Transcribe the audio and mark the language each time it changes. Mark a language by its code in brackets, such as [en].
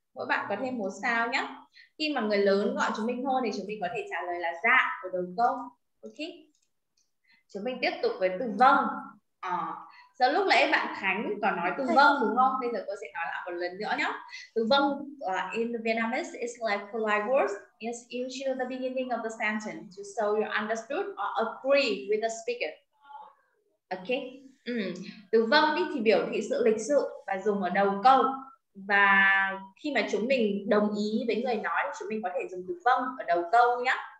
[vi] Mỗi bạn có thêm một sao nhé. Khi mà người lớn gọi chúng mình thôi thì chúng mình có thể trả lời là dạ ở đầu câu. Ok. Chúng mình tiếp tục với từ vâng. Giờ lúc nãy bạn Khánh có nói từ vâng đúng không? Bây giờ cô sẽ nói lại một lần nữa nhé. [en] Từ vâng in the Vietnamese is like polite words. It's usually the beginning of the sentence to show you understood or agree with the speaker. Ok. [vi] Từ vâng thì biểu thị sự lịch sự và dùng ở đầu câu. Và khi mà chúng mình đồng ý với người nói, chúng mình có thể dùng từ vâng ở đầu câu nhé.